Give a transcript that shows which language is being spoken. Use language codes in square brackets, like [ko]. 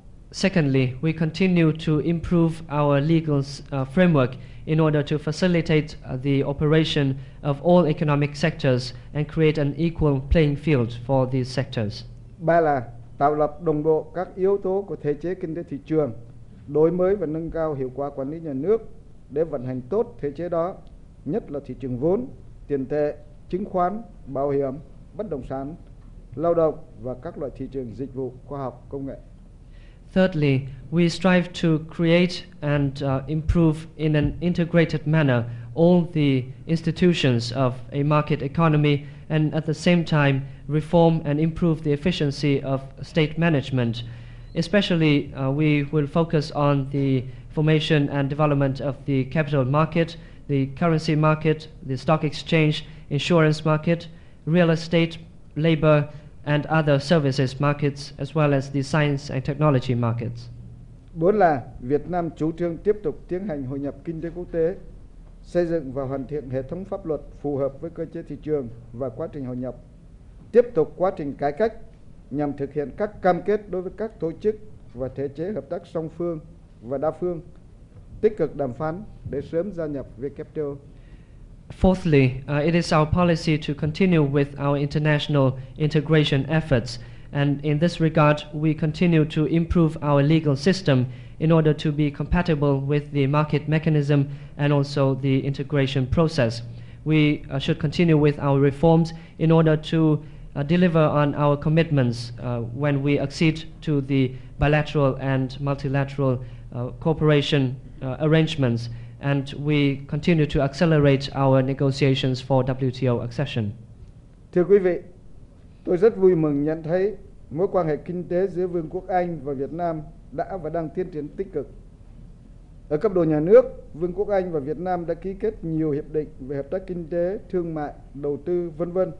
[en] Secondly, we continue to improve our legal framework in order to facilitate the operation of all economic sectors and create an equal playing field for these sectors. [vi] Ba là tạo lập đồng bộ các yếu tố của thể chế kinh tế thị trường, đổi mới và nâng cao hiệu quả quản lý nhà nước để vận hành tốt thể chế đó, nhất là thị trường vốn, tiền tệ, chứng khoán, bảo hiểm, bất động sản, lao động và các loại thị trường dịch vụ, khoa học, công nghệ. [en] Thirdly, we strive to create and improve in an integrated manner all the institutions of a market economy and at the same time reform and improve the efficiency of state management. Especially, we will focus on the formation and development of the capital market, the currency market, the stock exchange, insurance market, real estate, labor, and other services markets, as well as the science and technology markets. [vi] Bốn là Việt Nam chủ trương tiếp tục tiến hành hội nhập kinh tế quốc tế, xây dựng và hoàn thiện hệ thống pháp luật phù hợp với cơ chế thị trường và quá trình hội nhập, tiếp tục quá trình cải cách nhằm thực hiện các cam kết đối với các tổ chức và thể chế hợp tác song phương và đa phương, tích cực đàm phán để sớm gia nhập WTO. [en] Fourthly, it is our policy to continue with our international integration efforts, and in this regard, we continue to improve our legal system in order to be compatible with the market mechanism and also the integration process. We should continue with our reforms in order to deliver on our commitments when we accede to the bilateral and multilateral cooperation arrangements, and we continue to accelerate our negotiations for WTO accession. [vi] Thưa quý vị, tôi rất vui mừng nhận thấy mối quan hệ kinh tế giữa Vương quốc Anh và Việt Nam đã và đang tiến triển tích cực. Ở cấp độ nhà nước, Vương quốc Anh và Việt Nam đã ký kết nhiều hiệp định về hợp tác kinh tế, thương mại, đầu tư, v.v.